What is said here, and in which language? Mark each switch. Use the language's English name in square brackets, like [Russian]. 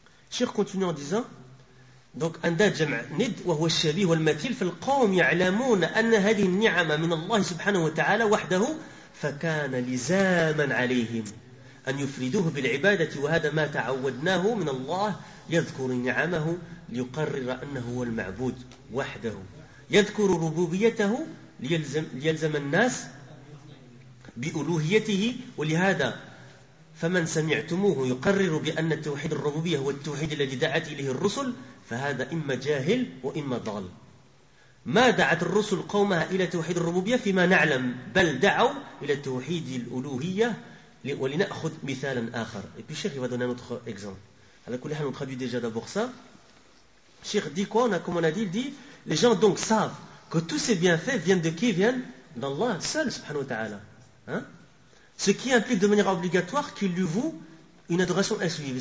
[Arabic] Cheikh continue en disant, donc andad jam' nid wa huwa ash-shabih wal mathil fil qawm ya'lamun anna hadhihi an-ni'ama min Allah subhanahu wa ta'ala wahdahu fa kana lizaman 'alayhim an yufriduhu bil 'ibadati wa hadha ma ta'awadnahu min Allah yadhkuru ni'amahu liqarrira annahu huwa al-ma'bud wahdahu yadhkuru rububiyyatahu liyalzama an-nas بألوهيته ولهذا فمن سمعتموه يقرر بأن التوحيد الربوبية هو التوحيد الذي دعت إليه الرسل فهذا إما جاهل وإما ضال. ما دعت الرسل قومها إلى توحيد الربوبية فيما نعلم بل دعوا إلى التوحيد الألوهية ولنأخذ مثالا آخر. [French] Et puis Cheikh va donner un autre exemple. على كل حال, on traduit déjà d'abord ça. Cheikh dit quoi? On a, comme on a dit, il dit, les gens donc savent que tous ces bienfaits viennent de qui? Viennent d'Allah seul, subhanahu wa ta'ala. Hein? Ce qui implique de manière obligatoire qu'il lui voue une adoration exclusive.